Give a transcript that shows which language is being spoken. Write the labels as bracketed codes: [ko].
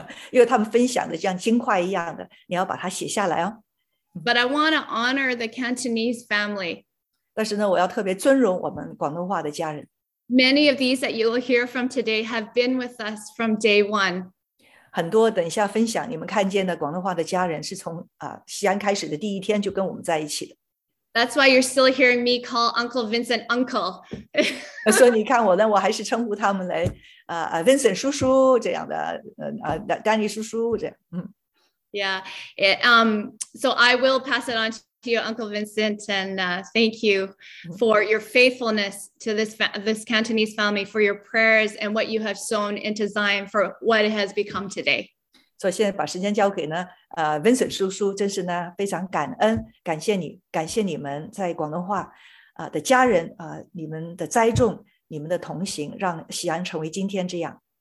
[zh] 因为他们分享的像金块一样的，你要把它写下来哦。 [en] But I want to honor the Cantonese family. [zh] 但是呢，我要特别尊荣我们广东话的家人。 [en] Many of these that you will hear from today have been with us from day one. [zh] 很多等一下分享你们看见的广东话的家人是从西安开始的第一天就跟我们在一起的。 [en] That's why you're still hearing me call Uncle Vincent Uncle. [zh] 所以你看我呢，我还是称呼他们来Vincent 叔叔这样的Danny 叔叔这样。 [en] Yeah, so I will pass it on to you, Uncle Vincent, and thank you for your faithfulness to this Cantonese family, for your prayers and what you have sown into Zion for what it has become today. [zh] So, 现在把时间交给呢Vincent 叔叔，真是呢非常感恩，感谢你，感谢你们在广东话的家人你们的栽种，你们的同行，让西安成为今天这样。